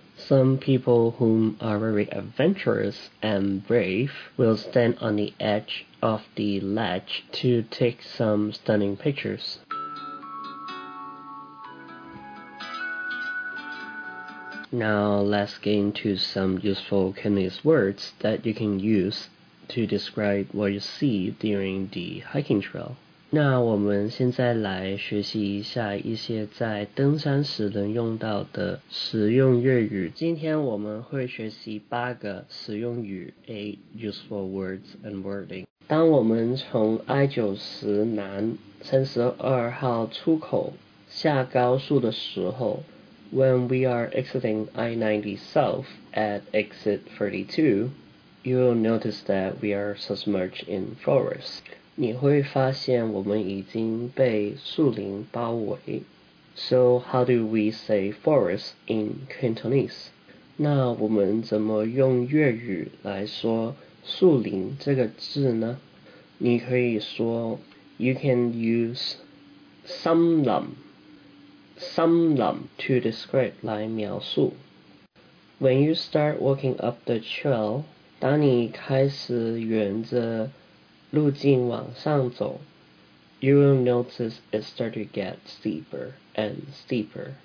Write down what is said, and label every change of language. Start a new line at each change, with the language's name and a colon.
English: Some people who are very adventurous and brave will stand on the edge of the ledge to take some stunning pictures. Now let's get into some useful Cantonese words that you can use to describe what you see during the hiking trail.
Chinese: 那我们现在来学习一下一些在登山时能用到的实用粤语。今天我们会学习八个实用语 ,
English: 8 useful words and wording。
Chinese: 当我们从 I-90 南32号出口下高速的时候
English: ,when we are exiting I-90 south at exit 32, you will notice that we are submerged in forest.
Chinese: 你会发现我们已经被树林包围。
English: So how do we say forest in Cantonese?
Chinese: 那我们怎么用粤语来说树林这个字呢？你可以说
English: You can use 森林 森林 to describe
Chinese: 来描述。
English: When you start walking up the trail,
Chinese: 当你开始沿着路径往上走
English: ,you will notice it start to get steeper and steeper.